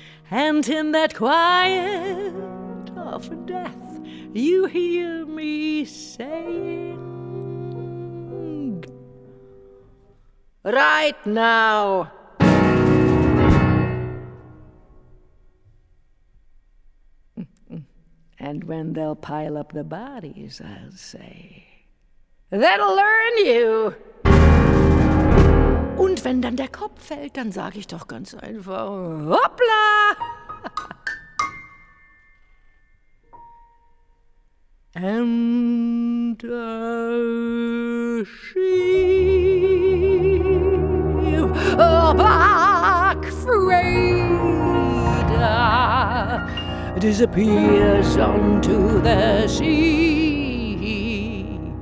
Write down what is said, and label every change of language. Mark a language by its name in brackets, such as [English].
[English] And in that quiet of death, you hear me saying, right now. And when they'll pile up the bodies, I'll say, that'll learn you. [German] Und wenn dann der Kopf fällt, dann sag ich doch ganz einfach, hoppla! [English] And a ship, a black freighter, disappears onto the sea.